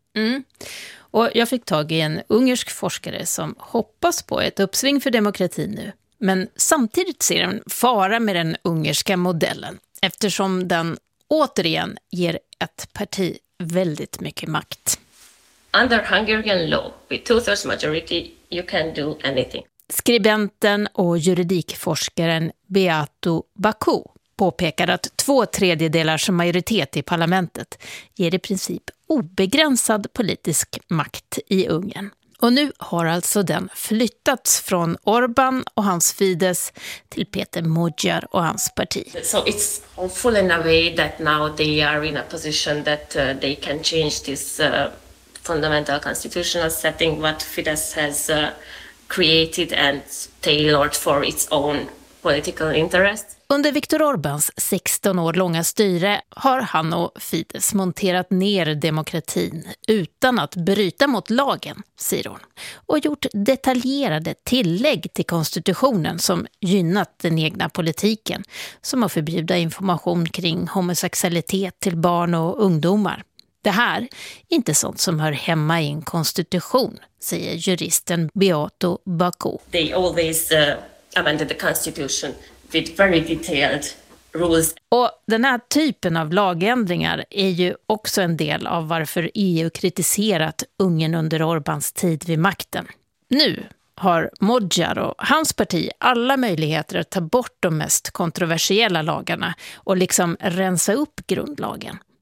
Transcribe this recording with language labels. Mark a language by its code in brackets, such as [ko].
[sv] Mm. Och jag fick tag i en ungersk forskare som hoppas på ett uppsving för demokratin nu. Men samtidigt ser en fara med den ungerska modellen eftersom den återigen ger ett parti väldigt mycket makt. [en] Under Hungarian law, with 2/3 majority, you can do anything. [sv] Skribenten och juridikforskaren Beato Baku påpekar att 2/3 majoritet i parlamentet ger i princip obegränsad politisk makt i Ungern. Och nu har alltså den flyttats från Orbán och hans Fidesz till Peter Modjar och hans parti. [en] So it's hopeful in a way that now they are in a position that they can change this fundamental constitutional setting what Fidesz has created and tailored for its own political interest. [sv] Under Viktor Orbáns 16 år långa styre har han och Fidesz monterat ner demokratin utan att bryta mot lagen, säger hon, och gjort detaljerade tillägg till konstitutionen som gynnat den egna politiken, som att förbjuda information kring homosexualitet till barn och ungdomar. Det här är inte sånt som hör hemma i en konstitution, säger juristen Beato Baku. [en] They always amended the constitution with very detailed rules. [sv] Och den här typen av lagändringar är ju också en del av varför EU kritiserat Ungern under Orbáns tid vid makten. Nu har Modjar och hans parti alla möjligheter att ta bort de mest kontroversiella lagarna och liksom rensa upp grundlagen.